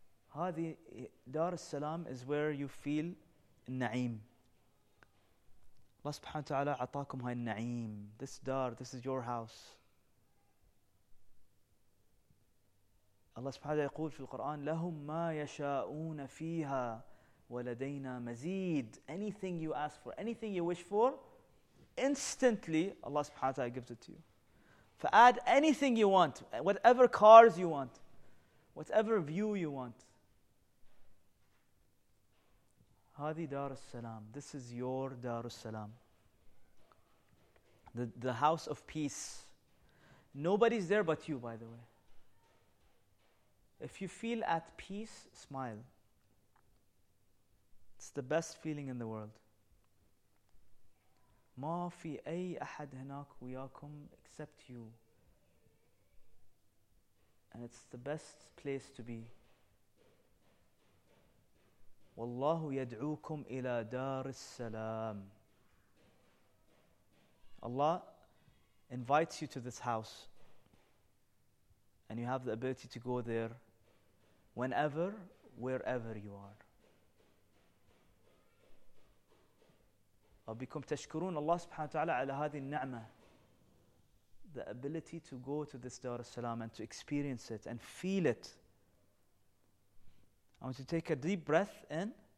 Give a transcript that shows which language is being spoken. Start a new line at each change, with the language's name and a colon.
Arabic: هذه دار السلام
English: is where you feel
Arabic: النعيم. الله سبحانه وتعالى عطاكم هاي النعيم.
English: This دار, this is your house.
Arabic: الله سبحانه وتعالى يقول في القرآن لهم ما يشاءون فيها ولدينا مزيد.
English: Anything you ask for, anything you wish for, instantly Allah سبحانه وتعالى gives it to you. فأد anything you want, whatever cars you want, whatever view you want.
Arabic: هذه دار السلام.
English: This is your دار السلام. The house of peace. Nobody's there but you, by the way. If you feel at peace, smile. It's the best feeling in the world.
Arabic: ما في أي أحد هناك وياكم
English: except you. And it's the best place to be.
Arabic: والله يدعوكم إلى دار السلام.
English: Allah invites you to this house. And you have the ability to go there whenever, wherever you are.
Arabic: أبيكم تشكرون الله سبحانه وتعالى على هذه النعمة.
English: The ability to go to this Dar es Salaam and to experience it and feel it. I want you to take a deep breath in.